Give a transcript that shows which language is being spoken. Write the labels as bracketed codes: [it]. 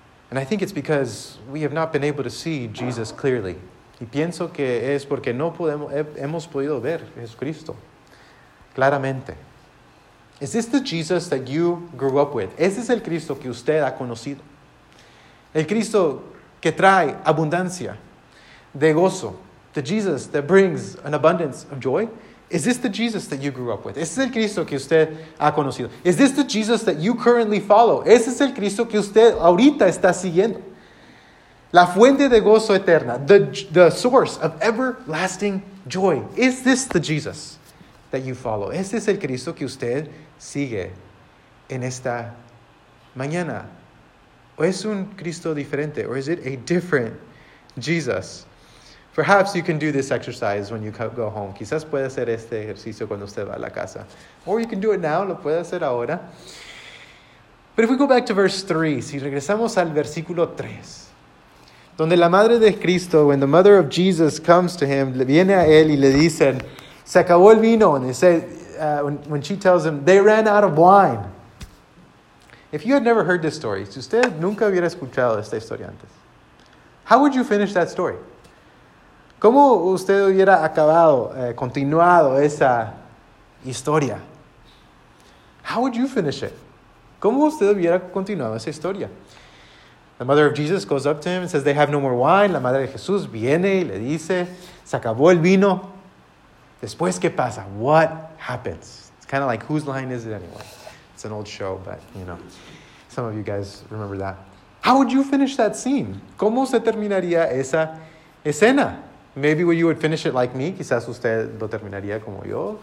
[en] And I think it's because we have not been able to see Jesus clearly. [es] Y pienso que es porque no podemos, hemos podido ver a Jesucristo claramente. [en] Is this the Jesus that you grew up with? [es] ¿Ese es el Cristo que usted ha conocido? El Cristo que trae abundancia de gozo. [en] The Jesus that brings an abundance of joy. Is this the Jesus that you grew up with? [es] ¿Ese es el Cristo que usted ha conocido? [en] Is this the Jesus that you currently follow? [es] ¿Ese es el Cristo que usted ahorita está siguiendo? La fuente de gozo eterna. [en] The source of everlasting joy. Is this the Jesus that you follow? [es] ¿Ese es el Cristo que usted sigue en esta mañana? ¿O es un Cristo diferente? [en] Or is it a different Jesus? Perhaps you can do this exercise when you go home. [es] Quizás puede hacer este ejercicio cuando usted va a la casa. [en] Or you can do it now. [es] Lo puede hacer ahora. [en] But if we go back to verse 3, [es] si regresamos al versículo 3, donde la madre de Cristo, [en] when the mother of Jesus comes to him, [es] viene a él y le dicen, se acabó el vino. [en] And they say, when she tells him, they ran out of wine. If you had never heard this story, [es] si usted nunca hubiera escuchado esta historia antes, [en] how would you finish that story? [es] ¿Cómo usted hubiera acabado, continuado esa historia? [en] How would you finish it? [es] ¿Cómo usted hubiera continuado esa historia? [en] The mother of Jesus goes up to him and says, they have no more wine. [es] La madre de Jesús viene y le dice, se acabó el vino. Después, ¿qué pasa? [en] What happens? It's kind of like, whose line is it anyway? It's an old show, but, you know, some of you guys remember that. How would you finish that scene? [es] ¿Cómo se terminaría esa escena? [en] Maybe you would finish it like me. [es] Quizás usted lo terminaría como yo.